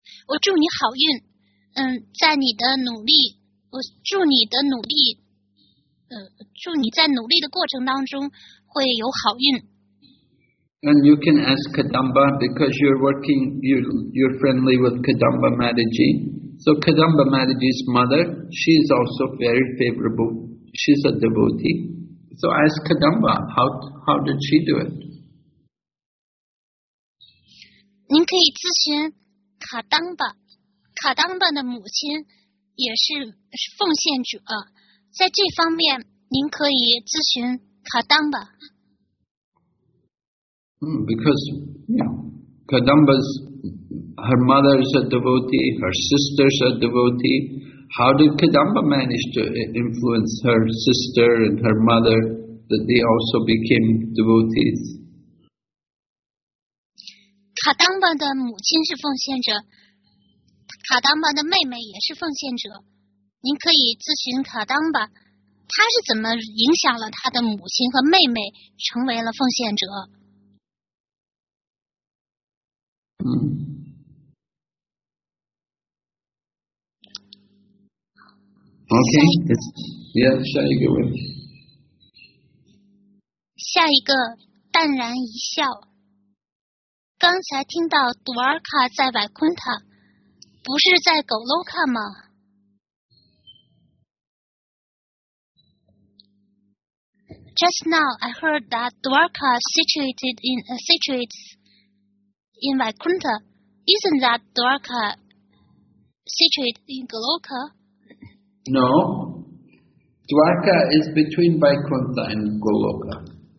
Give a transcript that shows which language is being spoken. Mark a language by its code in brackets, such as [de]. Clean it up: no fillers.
[zh] 我祝你好运，在你的努力，我祝你的努力，祝你在努力的过程当中会有好运。 [en] And you can ask Kadamba because you're working, you're friendly with Kadamba Mataji. So Kadamba Mataji's mother, she is also very favorable. She's a devotee. So ask Kadamba, how did she do it? [zh] 您可以咨询卡当巴，卡当巴的母亲也是奉献者，在这方面您可以咨询卡当巴。 [en] Because Kadamba's, her mother's a devotee, her sister's a devotee. How did Kadamba manage to influence her sister and her mother that they also became devotees? [zh] 卡当巴的母亲是奉献者，卡当巴的妹妹也是奉献者。您可以咨询卡当巴，他是怎么影响了他的母亲和妹妹成为了奉献者？ Okay, yeah, 下一个问题。下一个，淡然一笑。刚才听到杜尔卡在外昆塔，不是在狗楼卡吗？ [en] Just now, I heard that Dwarka situates in Vaikuntha. Isn't that Dwarka situated in Goloka? No. Dwarka is between Vaikuntha and Goloka.